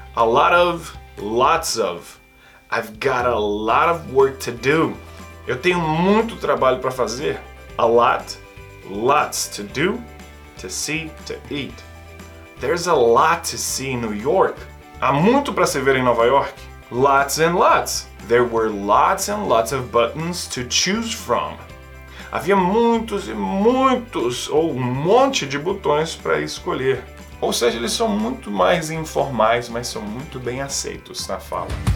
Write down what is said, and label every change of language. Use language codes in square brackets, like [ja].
[en] A lot of, lots of. I've got a lot of work to do. [pt] Eu tenho muito trabalho para fazer. [en] A lot, lots to do, to see, to eat. There's a lot to see in New York. [pt] Há muito para se ver em Nova York. [en] Lots and lots. There were lots and lots of buttons to choose from. [pt] Havia muitos e muitos, ou um monte de botões para escolher. Ou seja, eles são muito mais informais, mas são muito bem aceitos na fala.